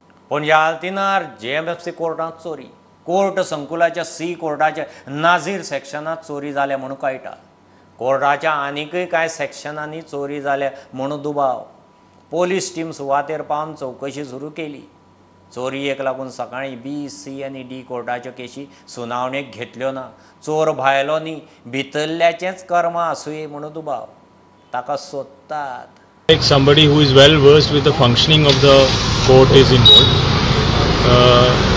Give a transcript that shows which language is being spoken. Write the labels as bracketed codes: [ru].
[gom] पण या हालतीनार JMFC कोर्टांत चोरी. कोर्ट संकुलाच्या सी कोर्टाच्या नाझीर सेक्शनांत चोरी जाल्या म्हणून कळटा. कोर्टाच्या आनीकय कांय सेक्शनांनी चोरी जाल्या म्हणून दुबाव. पोलीस टीम सुवातेर पावन चौकशी सुरू केली. चोरयेक लागून सकाळीं बी सी आनी डी कोर्टाच्यो केशी सुनावणेक घेतल्यो ना. चोर भायलो न्ही, भितरल्याचेंच कर्म आसूं म्हणून दुबाव ताका सोदतात. [en] Like somebody who is well versed with the functioning of the court is involved.